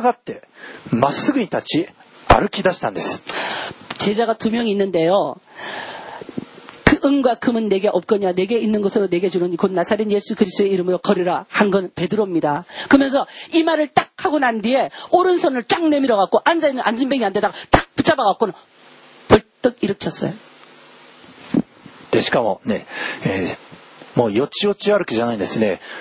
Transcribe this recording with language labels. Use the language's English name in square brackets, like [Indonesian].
[Japanese] そしてね、この二人は、ペトロとヨハネ、弟子たちなんですけども、このペトロが彼の右手を取って立たせたところ、たちまち彼の足とくるぶしが強くなって、彼、踊り上がって、まっすぐに立ち、歩き出したんです。 [Korean] 제자가 두 명 있는데요. 그 은과 금은 내게 없거냐, 내게 있는 것으로 내게 주는 곧 나사렛 예수 그리스도의 이름으로 걸으라 한 건 베드로입니다. 그러면서 이 말을 딱 하고 난 뒤에 오른손을 쫙 내밀어 갖고 앉아 있는 앉은뱅이 한 데다가 딱 붙잡아 갖고는 벌떡 일으켰어요. [Japanese] 네, しかも, 네, 에, もう 요치요치歩きじゃないんですね.